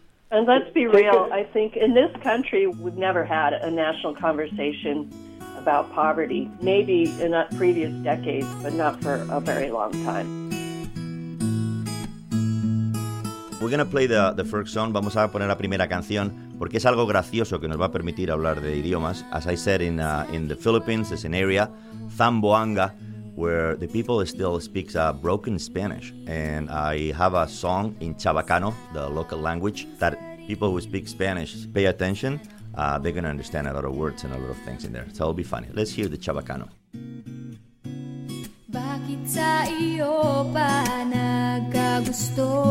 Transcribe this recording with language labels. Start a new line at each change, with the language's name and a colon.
English: And let's be real, I think in this country, we've never had a national conversation about poverty. Maybe in the previous decades, but not for a very long time. We're going to play the first song.
Spanish: Vamos a poner la primera canción porque es algo gracioso que nos va a permitir hablar de idiomas.
English: As I said, in the Philippines, there's an area, Zamboanga, where the people still speak broken Spanish. And I have a song in Chabacano, the local language, that people who speak Spanish pay attention. They're going to understand a lot of words and a lot of things in there. So it'll be funny. Let's hear the Chabacano.
Filipino: Bakit sa iyo pa nagkagusto?